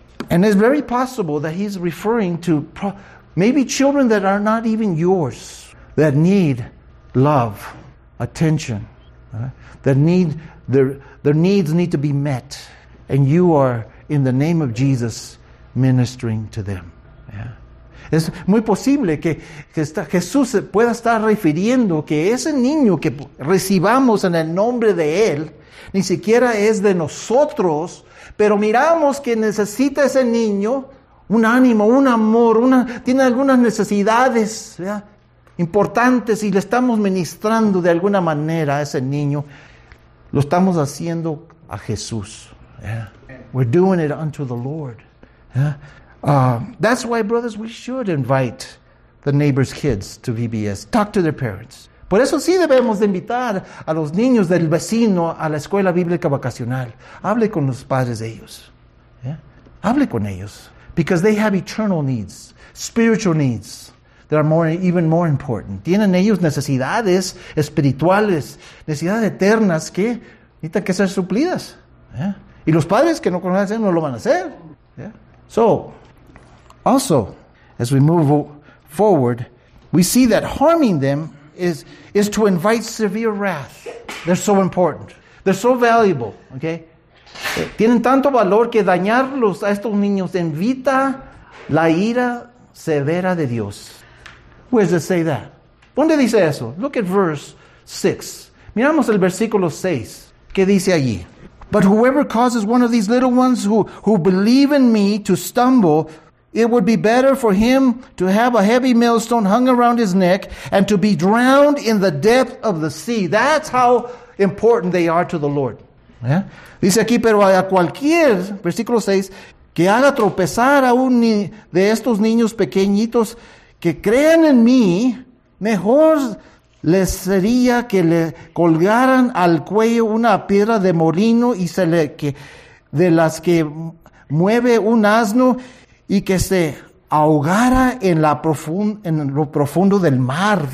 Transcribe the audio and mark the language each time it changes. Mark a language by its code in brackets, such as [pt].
[en] And it's very possible that he's referring to maybe children that are not even yours, that need love, attention, that need their needs need to be met, and you are in the name of Jesus ministering to them. Yeah. [es] Es muy posible que Jesús pueda estar refiriendo que ese niño que recibamos en el nombre de él ni siquiera es de nosotros, pero miramos que necesita ese niño un ánimo, un amor, tiene algunas necesidades, ¿verdad? Importantes, y le estamos ministrando de alguna manera a ese niño. Lo estamos haciendo a Jesús. [en] Yeah. We're doing it unto the Lord. Yeah. That's why, brothers, we should invite the neighbor's kids to VBS. Talk to their parents. [es] Por eso sí debemos de invitar a los niños del vecino a la escuela bíblica vacacional. Hable con los padres de ellos. Yeah. Hable con ellos. [en] Because they have eternal needs, spiritual needs that are even more important. [es] Tienen ellos necesidades espirituales, necesidades eternas que necesitan que ser suplidas. Yeah. Y los padres que no conocen no lo van a hacer. [en] Yeah. So, also, as we move forward, we see that harming them is to invite severe wrath. They're so important. They're so valuable. Okay. [es] Tienen tanto valor que dañarlos a estos niños invita la ira severa de Dios. [en] Where does it say that? [es] ¿Dónde dice eso? [en] Look at verse 6. [es] Miramos el versículo 6. ¿Qué dice allí? [en] But whoever causes one of these little ones who believe in me to stumble, it would be better for him to have a heavy millstone hung around his neck and to be drowned in the depth of the sea. That's how important they are to the Lord. ¿Eh? [es] Dice aquí, pero a cualquier, versículo 6, que haga tropezar a un de estos niños pequeñitos que crean en mí, mejor les sería que le colgaran al cuello una piedra de molino y se le que de las que mueve un asno y que se ahogara en lo profundo del mar.